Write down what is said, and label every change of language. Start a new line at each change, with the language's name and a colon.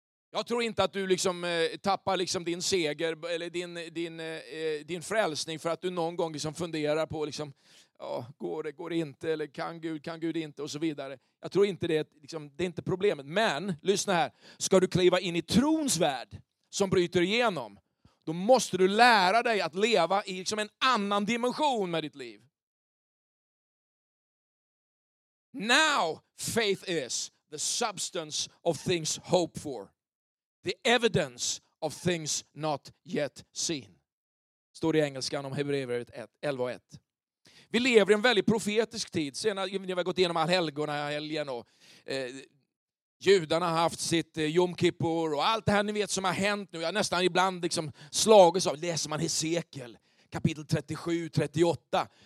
Swedish: Jag tror inte att du liksom tappar liksom din seger eller din frälsning för att du någon gång liksom funderar på liksom, ja, går det inte, eller kan Gud inte och så vidare. Jag tror inte det, liksom, det är inte problemet. Men, lyssna här, ska du kliva in i trons värld som bryter igenom, då måste du lära dig att leva i liksom en annan dimension med ditt liv.
English: Now faith is the substance of things hoped for, the evidence of things not yet seen.
Swedish: Står det i engelskan om Hebreerbrevet 11:1. Vi lever i en väldigt profetisk tid. Senare, när vi har gått igenom helgen och judarna har haft sitt Yom Kippur och allt det här ni vet som har hänt nu. Jag har nästan ibland liksom slagits av. Läser man Hesekiel, kapitel 37-38.